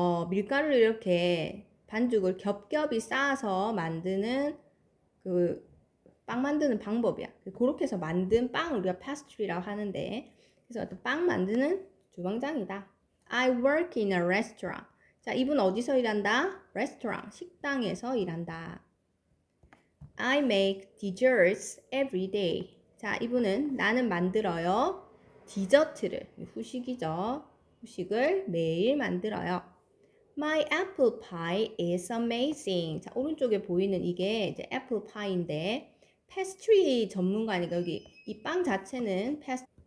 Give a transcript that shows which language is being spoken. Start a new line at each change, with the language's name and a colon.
Korean: 밀가루를 이렇게 반죽을 겹겹이 쌓아서 만드는 그빵 만드는 방법이야. 그렇게 해서 만든 빵을 우리가 파스트리라고 하는데, 그래서 어떤 빵 만드는 주방장이다.
English: I work in a restaurant.
Korean: 자, 이분 어디서 일한다? Restaurant, 식당에서 일한다.
English: I make desserts every day.
Korean: 자, 이분은 나는 만들어요. 디저트를, 후식이죠. 후식을 매일 만들어요.
English: My apple pie is amazing.
Korean: 자, 오른쪽에 보이는 이게 이제 apple pie인데, pastry 전문가니까 여기 이빵 자체는 pastry.